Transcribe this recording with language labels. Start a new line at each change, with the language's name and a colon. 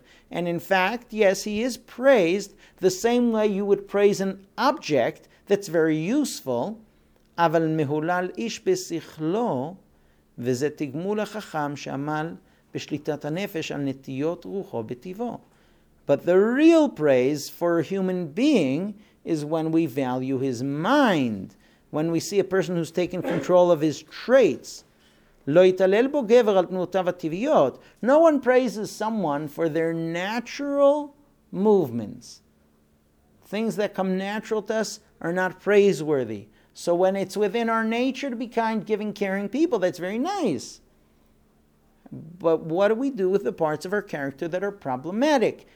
English: And in fact, yes, he is praised the same way you would praise an object that's very useful.
Hebrew: אבל מהולל איש בשכלו, וזה תגמול החכם שעמל בשליטת הנפש על נטיות רוחו בטבעו.
English: But the real praise for a human being is when we value his mind, when we see a person who's taken control of his traits.
Hebrew: לא יתעלל בו גבר על תנותיו הטבעיות.
English: No one praises someone for their natural movements. Things that come natural to us are not praiseworthy. So when it's within our nature to be kind, giving, caring people, that's very nice. But what do we do with the parts of our character that are problematic?